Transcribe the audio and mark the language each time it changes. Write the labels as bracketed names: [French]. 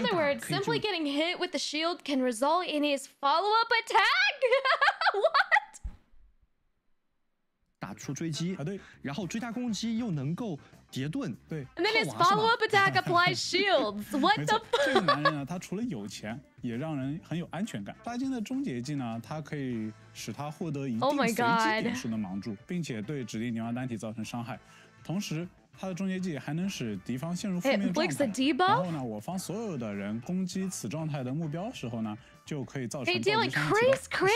[English] In other words, simply getting hit with the shield can result in his follow-up attack. What? [Chinese] 打出追击，啊对，然后追加攻击又能够叠盾，对。 [English] And then his follow-up attack applies shields. What the fuck? [Chinese] 这个男人呢，他除了有钱，也让人很有安全感。巴金的终结技呢，它可以使他获得一定随机点数的盲注，并且对指定牛蛙单体造成伤害，同时。他的终结技还能使敌方陷入负面状态，然后呢，我方所有的人攻击此状态的目标时候呢，就可以造成暴击伤害。